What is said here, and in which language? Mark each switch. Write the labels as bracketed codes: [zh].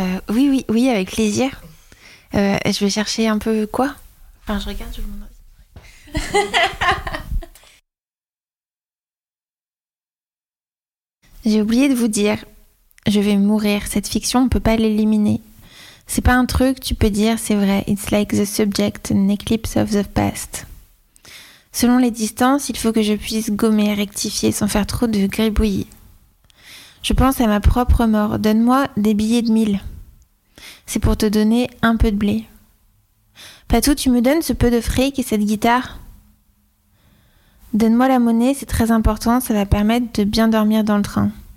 [fr] Oui, avec plaisir. Je vais chercher un peu quoi ? Enfin, je regarde, je vous demande. J'ai oublié de vous dire, je vais mourir. Cette fiction, on ne peut pas l'éliminer. C'est pas un truc, tu peux dire, c'est vrai. [en] It's like the subject, an eclipse of the past. [fr] Selon les distances, il faut que je puisse gommer, rectifier, sans faire trop de gribouillis. Je pense à ma propre mort. Donne-moi des billets de 1000. C'est pour te donner un peu de blé. Patou, tu me donnes ce peu de fric et cette guitare? Donne-moi la monnaie, c'est très important, ça va permettre de bien dormir dans le train.